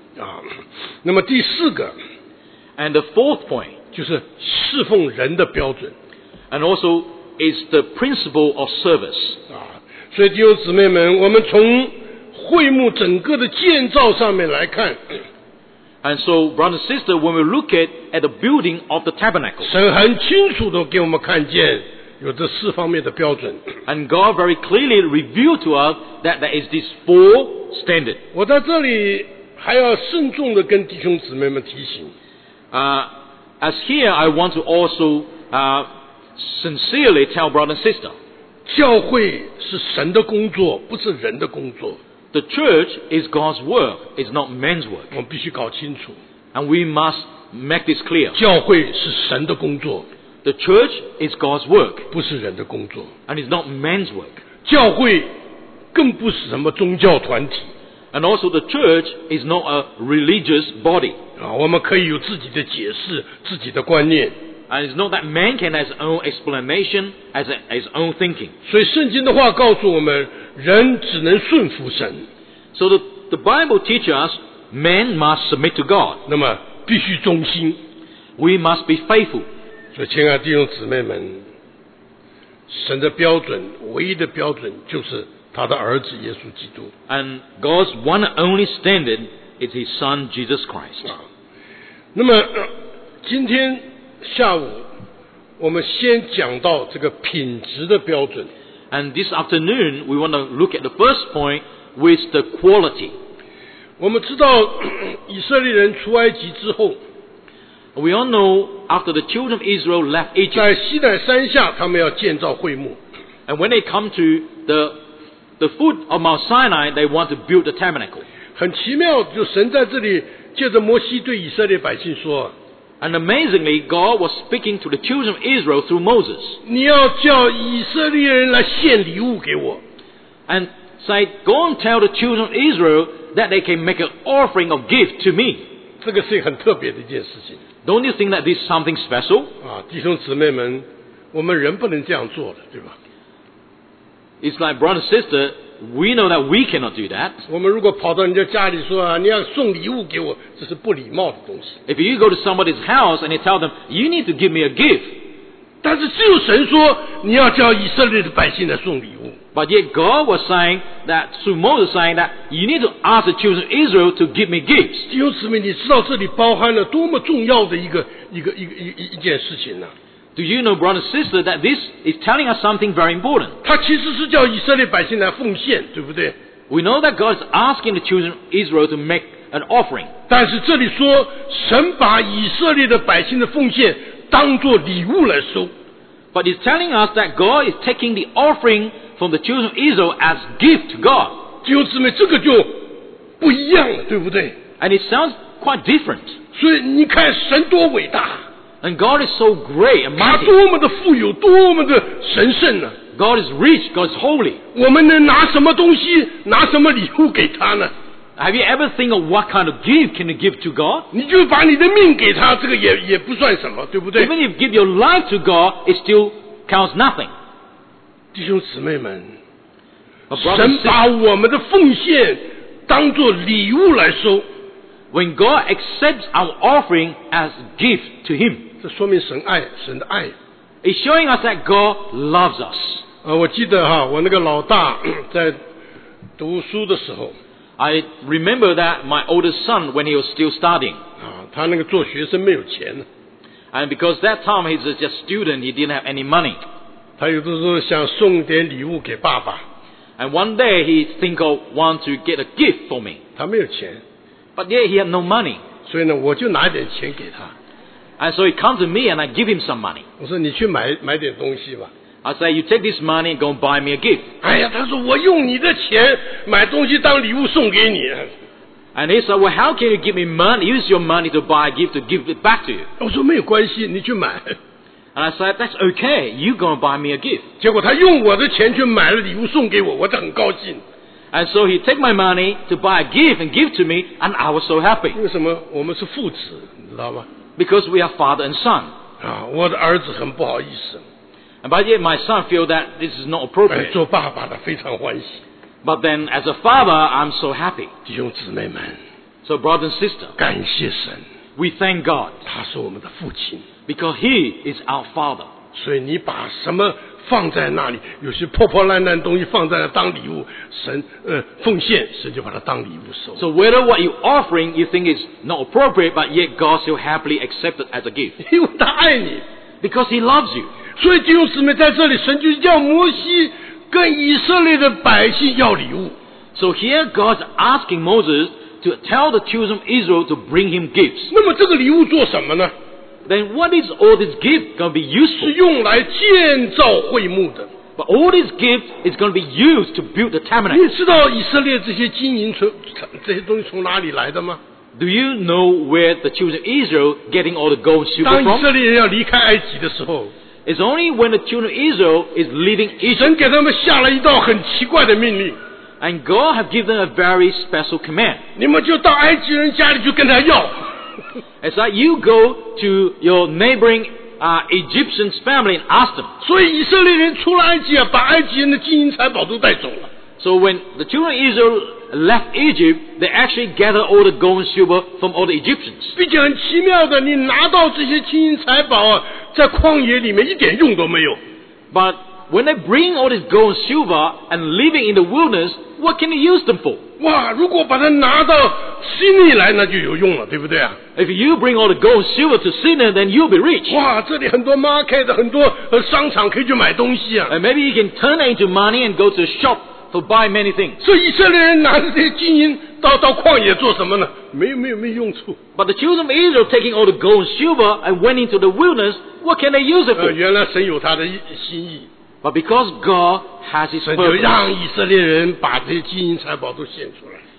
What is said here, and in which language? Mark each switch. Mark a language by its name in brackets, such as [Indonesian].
[Chinese] 啊、那么第四个 [English] And the fourth point [Chinese] 就是侍奉人的标准 [English] And also is the principle of service、 [Chinese] 啊所以弟兄姊妹们，我们从会幕整个的建造上面来看 [English] ，And so, brother and sister, when we look at the building of the tabernacle, [Chinese] 神很清楚地给我们看见有这四方面的标准 [English] ，And God very clearly revealed to us that there is this four standard. [Chinese] 我在这里还要慎重地跟弟兄姊妹们提醒 [English] ，As here, I want to also sincerely tell brother and sister. [Chinese] 教会是神的工作，不是人的工作。 [English] The church is God's work, it's not man's work. [Chinese] 我们必须搞清楚。 [English] And we must make this clear. [Chinese] 教会是神的工作。 [English] The church is God's work. [Chinese] 不是人的工作。 [English] And it's not man's work. [Chinese] 教会更不是什么宗教团体。 [English] And also the church is not a religious body. [Chinese] 啊，我们可以有自己的解释，自己的观念。 [English] And it's not that man can have his own explanation, as his own thinking. [Chinese] 所以圣经的话告诉我们，人只能顺服神。 [English] So the Bible teaches us, man must submit to God. [Chinese] 那么必须忠心。 [English] We must be faithful. [Chinese] 所以亲爱的弟兄姊妹们，神的标准，唯一的标准就是他的儿子耶稣基督。 [English] And God's one and only standard is His Son Jesus Christ. [Chinese] 那么今天。下午我们先讲到这个品质的标准 [English] And this afternoon we want to look at the first point with the quality [Chinese] 我们知道以色列人出埃及之后 [English] We all know after the children of Israel left Egypt [Chinese] 在西乃山下他们要建造会幕 [English] And when they come to the foot of Mount Sinai they want to build the tabernacle [Chinese] 很奇妙就神在这里借着摩西对以色列百姓说 [English] And amazingly, God was speaking to the children of Israel through Moses. [Chinese] 你要叫以色列人来献礼物给我。 [English] And said, go and tell the children of Israel that they can make an offering of gift to me. [Chinese] 这个是很特别的一件事情。 [English] Don't you think that this is something special? [Chinese] 啊，弟兄姊妹们，我们人不能这样做的，对吧？ [English] It's like, brother and sister, we know that we cannot do that. [Chinese] 我们如果跑到人家家里说啊，你要送礼物给我，这是不礼貌的东西。 [English] If you go to somebody's house and you tell them, you need to give me a gift, [Chinese] 但是只有神说你要叫以色列的百姓来送礼物。 [English] But yet God was saying that through Moses saying that you need to ask the children of Israel to give me gifts. [Chinese] 弟兄姊妹，你知道这里包含了多么重要的一件事情呢？ [English] Do you know, brother and sister, that this is telling us something very important? [Chinese] 他其实是叫以色列百姓来奉献，对不对？ [English] We know that God is asking the children of Israel to make an offering. [Chinese] 但是这里说，神把以色列的百姓的奉献当作礼物来收。 [English] But it's telling us that God is taking the offering from the children of Israel as gift to God. [Chinese] 弟兄姊妹，这个就不一样了，对不对？ [English] And it sounds quite different. [Chinese] 所以你看，神多伟大。 [English] And God is so great and mighty. [Chinese] 他多么的富有，多么的神圣呢？ [English] God is rich, God is holy. [Chinese] 我们能拿什么东西，拿什么礼物给他呢？ [English] Have you ever think of what kind of gift can you give to God? [Chinese] 你就把你的命给他，这个也不算什么，对不对？ [English] Even if you give your life to God, it still counts nothing. [Chinese] 弟兄姊妹们，神把我们的奉献当作礼物来收。 [English] When God accepts our offering as gift to Him, [Chinese] 这说明神爱，神的爱。 [English] It's showing us that God loves us. [Chinese] 我记得哈，我那个老大在读书的时候 [English] ，I remember that my oldest son when he was still studying. [Chinese] 他那个做学生没有钱。 [English] And because that time he's just student, he didn't have any money. [Chinese] 他有的时候想送点礼物给爸爸。 [English] And one day he think of want to get a gift for me. [Chinese] 他没有钱。 [English] But yet he had no money. [Chinese] 所以呢，我就拿点钱给他。 [English] And so he comes to me and I give him some money. [Chinese] 我说你去买点东西吧。 [English] I say you take this money and go buy me a gift. [Chinese] 哎呀，他说我用你的钱买东西当礼物送给你。 [English] And he said, well, how can you give me money? Use your money to buy a gift to give it back to you. [Chinese] 我说没有关系，你去买。 [English] And I said, that's okay. You go and buy me a gift. [Chinese] 结果他用我的钱去买了礼物送给我，我就很高兴。 [English] And so he took my money to buy a gift and give to me, and I was so happy. [Chinese] 为什么我们是父子，你知道吗？ [English] Because we are father and son. [Chinese] 我的儿子很不好意思。 [English] And by the way, my son feel that this is not appropriate. [Chinese] 做爸爸的非常欢喜。 [English] But then, as a father, I'm so happy. [Chinese] 弟兄姊妹们。 [English] So brother and sister. [Chinese] 感谢神。 [English] We thank God. [Chinese] 他是我们的父亲。 [English] Because he is our father. [Chinese] 所以你把什么放在那里，有些破破烂烂东西放在那当礼物，神奉献，神就把它当礼物收。 [English] So whether what you offering you think is not appropriate, but yet God still happily accepted as a gift. [Chinese] 因为他爱你 [English] ，because He loves you. [Chinese] 所以弟兄姊妹在这里，神就叫摩西跟以色列的百姓要礼物。 [English] So here God's asking Moses to tell the children of Israel to bring him gifts. [Chinese] 那么这个礼物做什么呢？ [English] Then what is all this gift going to be used for? [Chinese] 是用来建造会幕的。 [English] But all this gift is going to be used to build the tabernacle. [Chinese] 你知道以色列这些金银这些东西从哪里来的吗？ [English] Do you know where the children of Israel getting all the gold and silver from? [Chinese] 当以色列人要离开埃及的时候， [English] It's only when the children of Israel is leaving Egypt. [Chinese] 神给他们下了一道很奇怪的命令。 [English] And God have given them a very special command. [Chinese] 你们就到埃及人家里去跟他要。 [English] It's like you go to your neighboring Egyptian's family and ask them. [Chinese] 所以以色列人出了埃及啊，把埃及人的金银财宝都带走了。 [English] So when the children of Israel left Egypt, they actually gathered all the gold and silver from all the Egyptians. [Chinese] 毕竟很奇妙的，你拿到这些金银财宝啊，在旷野里面一点用都没有。 [English] But when they bring all this gold and silver and living in the wilderness, what can you use them for? [Chinese] 哇，如果把它拿到新地来，那就有用了，对不对啊？ [English] If you bring all the gold and silver to Sinai, then you'll be rich. [Chinese] 哇，这里很多 market, 很多商场可以去买东西啊。 [English] And maybe you can turn it into money and go to a shop to buy many things. [Chinese] 所以以色列人拿着这些金银到旷野做什么呢？没用处。 [English] But the children of Israel taking all the gold and silver and went into the wilderness, what can they use it for? [Chinese] 原来神有他的心意。 [English] But because God has His purpose, [Chinese] 神就让以色列人把这些金银财宝都献出来。